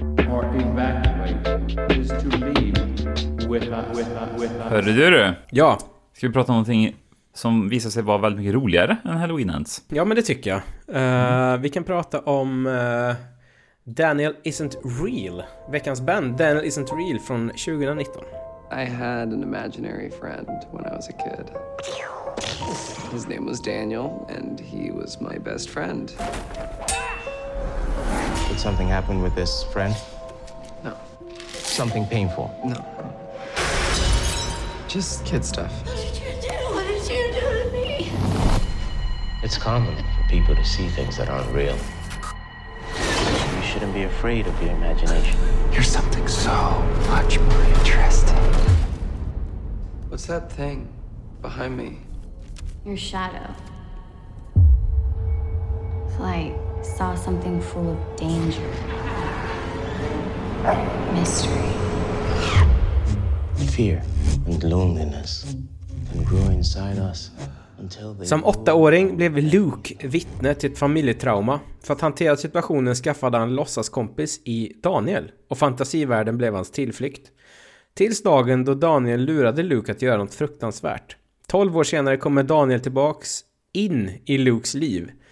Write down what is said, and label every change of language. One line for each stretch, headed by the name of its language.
English: or evacuate is to leave with us.
Swedish: Hörde du? Ja. Ska vi prata om någonting som visar sig vara väldigt mycket roligare än Halloween Ends? Ja, men det tycker jag. Vi kan prata om Daniel Isn't Real. Veckans band, Daniel Isn't Real från 2019.
English: I had an imaginary friend when I was a kid. His name was Daniel, and he was my best friend. Did something happen with this friend? No. Something painful? No. Just kid stuff. What did you do? What did you do to me? It's common for people to see things that aren't real. You shouldn't be afraid of your imagination. You're something so much more interesting. What's that thing behind me? Your shadow. It's like I saw something full of danger. Mystery. Fear and loneliness can grow inside us.
Swedish: Som åttaåring blev Luke vittne till ett familjetrauma. För att hantera situationen skaffade han låtsaskompis i Daniel. Och fantasivärlden blev hans tillflykt. Tills dagen då Daniel lurade Luke att göra något fruktansvärt. 12 år senare kommer Daniel tillbaks in i Lukes liv.